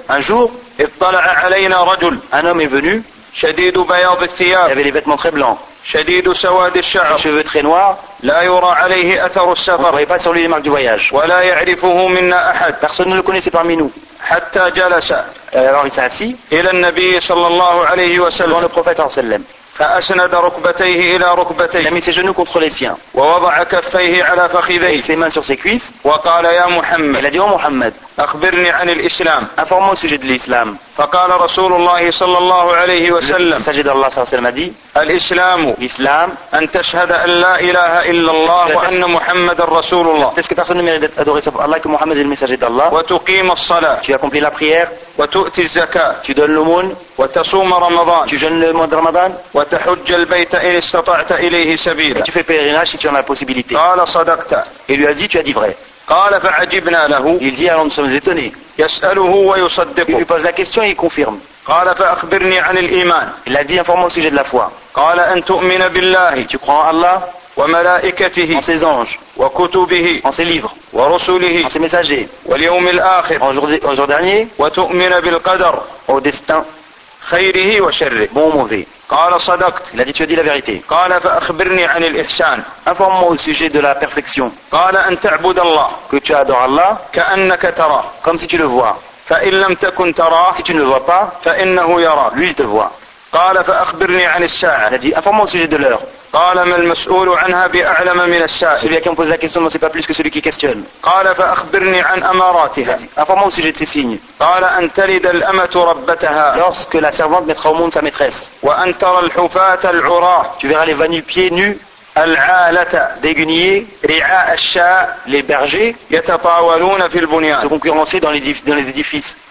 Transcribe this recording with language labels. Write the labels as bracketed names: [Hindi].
[French] un jour [Arabic] اطلع علينا رجل [French] un homme est venu [Arabic] شديد بياض الثياب. [French] Il avait les vêtements très blancs. [Arabic] شديد سواد الشعر. [French] Les cheveux très noirs. [Arabic] لا يرى عليه أثر السفر. [French] On ne voyait pas sur lui les marques du voyage. [Arabic] ولا يعرفه منا أحد. [French] Personne ne le connaissait parmi nous. [Arabic] حتى جلس. [French] Alors il s'est assis. [Arabic] إلى النبي صلى الله عليه وسلم. [French] Devant le prophète [Arabic] صلى الله عليه وسلم. فأسند ركبتيه إلى ركبتيه. [French] Il a mis ses genoux contre les siens. [Arabic] ووضع كفيه على فخذيه. [French] Et ses mains sur ses cuisses. [Arabic] وقال يا محمد. [French] Il a dit oh Muhammad. [Arabic] أخبرني عن الإسلام. أفهموا سجد الإسلام. فقال رسول الله صلى الله عليه وسلم. سجد الله صلى الله عليه وسلم دي. الإسلام. الإسلام. أن تشهد أن لا إله إلا الله وأن محمد رسول الله. [French] Est-ce que personne ne mérite d'adorer sauf Allah que Mohammed est le messager d'Allah. [Arabic] وتقيم الصلاة. [French] Tu accomplis la prière. [Arabic] وتؤتي الزكاة. [French] Tu donnes l'aumône. [Arabic] وتصوم رمضان. [French] Tu jeûnes le mois de Ramadan. [Arabic] وتحج البيت إن استطعت إليه سبيلا. [French] Et tu fais pèlerinage si tu en as la possibilité. [Arabic] قال صدقت. [French] Et lui a dit, tu as dit vrai. [Arabic] قال فعجبنا له. [French] Il dit, alors nous sommes étonnés. [Arabic] يسأله ويصدقه. [French] Il lui pose la question et il confirme. [Arabic] قال فأخبرني عن الإيمان. [French] Il a dit, informe-moi au sujet de la foi. [Arabic] قال أن تؤمن بالله. [French] Tu crois en Allah. [Arabic] وملائكته. [French] En ses anges. [Arabic] وكتبه. [French] En ses livres. [Arabic] ورسله. [French] En ses messagers. [Arabic] واليوم الآخر. [French] En jour dernier. [Arabic] وتؤمن بالقدر. [French] Au destin. [Arabic] خيره وشره. [French] Bon ou mauvais. [Arabic] قال صدقت. [French] Il a dit, tu as dit la vérité. [Arabic] قال فأخبرني عن الإحسان. [French] Informe-moi au sujet de la perfection. [Arabic] قال أن تعبد الله. [French] Que tu adores Allah. [Arabic] كأنك تراه. [French] Comme si tu le vois. [Arabic] فإن لم تكن تراه. [French] Si tu ne le vois pas. [Arabic] فإنه يراه. [French] Lui il te voit. [Arabic] قال فأخبرني عن الساعة. [French] Il a dit, informe-moi au sujet de l'heure. [Arabic] قال ما المسؤول عنها بأعلم من السائل. [French] Celui à qui on pose la question ne sait pas plus que celui qui questionne. [Arabic] قال فأخبرني عن أماراتها. [French] Informe-moi au sujet de ses signes. [Arabic] قال أن تلد الأمة ربتها. [French] Lorsque la servante mettra au monde sa maîtresse. [Arabic] وأن ترى الحفاة العراة. [French] Tu verras les vanus pieds nus. [Arabic] العالة. [French] Dégunier. [Arabic] رعاء الشاء. [French] Les bergers. [Arabic] يتطاولون في البنيان. [French] Se concurrencer dans les édifices.